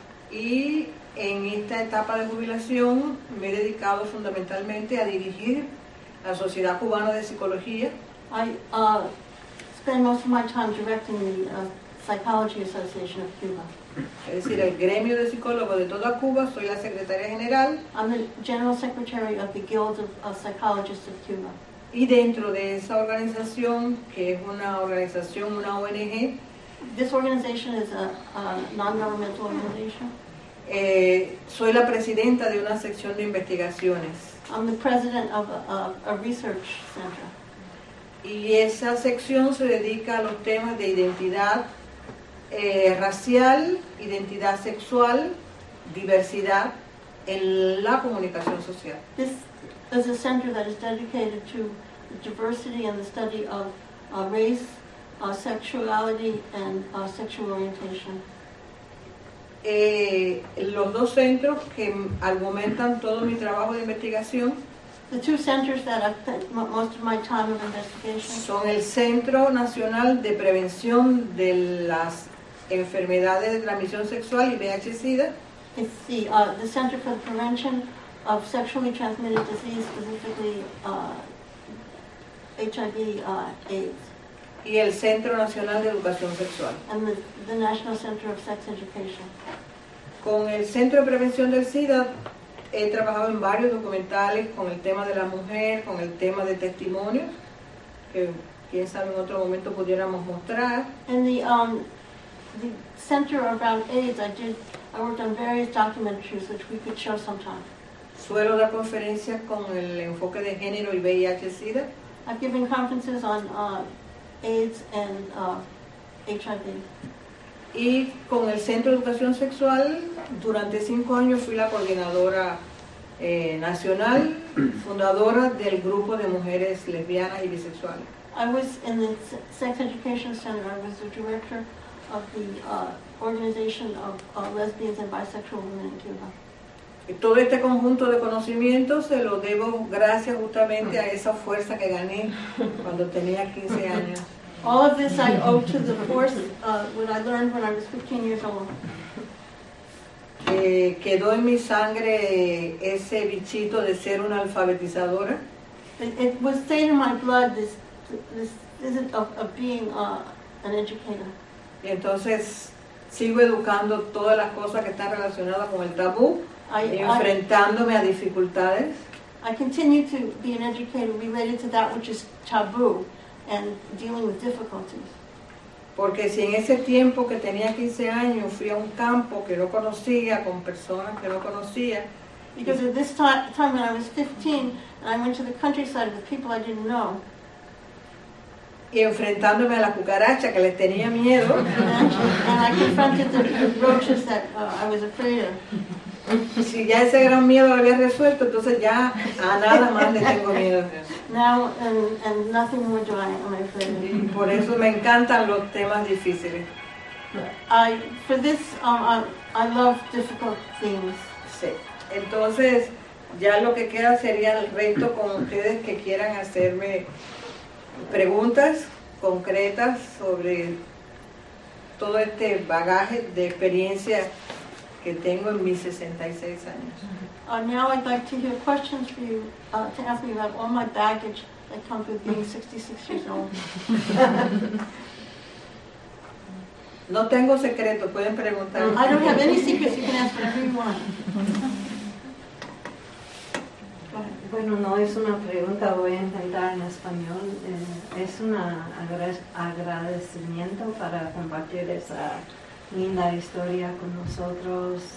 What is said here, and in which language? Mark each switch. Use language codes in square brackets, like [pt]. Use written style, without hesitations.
[es] Y en esta etapa de jubilación me he dedicado fundamentalmente a dirigir la Sociedad Cubana de Psicología. [en] I spend most of my time directing the Psychology Association of Cuba. [es] Es decir, el gremio de psicólogos de toda Cuba. Soy la secretaria general. [en] I'm the general secretary of the Guild of Psychologists of Cuba. [es] Y dentro de esa organización, que es una organización, una ONG. [en] This organization is a non-governmental organization. [es] Soy la presidenta de una sección de investigaciones. [en] I'm the president of a research center. [es] Y esa sección se dedica a los temas de identidad racial, identidad sexual, diversidad en la comunicación social. [en] This is a center that is dedicated to diversity and the study of race, sexuality, and sexual orientation. [es] Los dos centros que argumentan todo mi trabajo de investigación. [en] The two centers that I spent most of my time of investigation. [es] Son el Centro Nacional de Prevención de las Enfermedades de Transmisión Sexual y VIH/SIDA. [en] It's the Center for the Prevention of Sexually Transmitted Disease, specifically HIV/AIDS. [es] Y el Centro Nacional de Educación Sexual. [en] And the National Center of Sex Education. [es] Con el Centro de Prevención del SIDA he trabajado en varios documentales con el tema de la mujer, con el tema de testimonios, que quién sabe en otro momento pudiéramos mostrar. [en] In the center around AIDS, I worked on various documentaries which we could show sometime. [es] Suelo dar conferencias con el enfoque de género y VIH/SIDA. [en] I've given conferences on AIDS and HIV. [es] Y con el Centro de Educación Sexual, durante 5 años fui la coordinadora nacional, fundadora del grupo de mujeres lesbianas y bisexuales. [en] I was in the Sex Education Center. I was the director of the organization of lesbians and bisexual women in Cuba. [es] Y todo este conjunto de conocimientos se lo debo gracias justamente a esa fuerza que gané cuando tenía 15 años. [en] All of this I owe to the force what I learned when I was 15 years old. [es] Quedó en mi sangre ese bichito de ser una alfabetizadora. [en] It was stayed in my blood, this isn't of being an educator. [es] Y entonces sigo educando todas las cosas que están relacionadas con el tabú y enfrentándome a dificultades. [en] I continue to be an educator related to that which is taboo and dealing with difficulties. [es] Porque si en ese tiempo que tenía 15 años fui a un campo que no conocía, con personas que no conocía. [en] Because at this time when I was 15, and I went to the countryside with people I didn't know. [es] Y enfrentándome a la cucaracha que les tenía miedo. [en] And I confronted the roaches that I was afraid of. [es] Si ya ese gran miedo lo había resuelto, entonces ya a nada más le tengo miedo. [en] Now, and nothing more do I am afraid of. [es] Por eso me encantan los temas difíciles. [en] I love difficult things. [es] Sí. Entonces, ya lo que queda sería el reto con ustedes que quieran hacerme preguntas concretas sobre todo este bagaje de experiencia que tengo en mis 66 años. [en] Now I'd like to hear questions for you to ask me about all my baggage that comes with being 66 years old. [es] No tengo secreto, pueden preguntar. [en] I don't have any secrets, you can ask for everyone. [es] Bueno, no es una pregunta, voy a intentar en español. Es un agradecimiento para compartir esa linda historia con nosotros.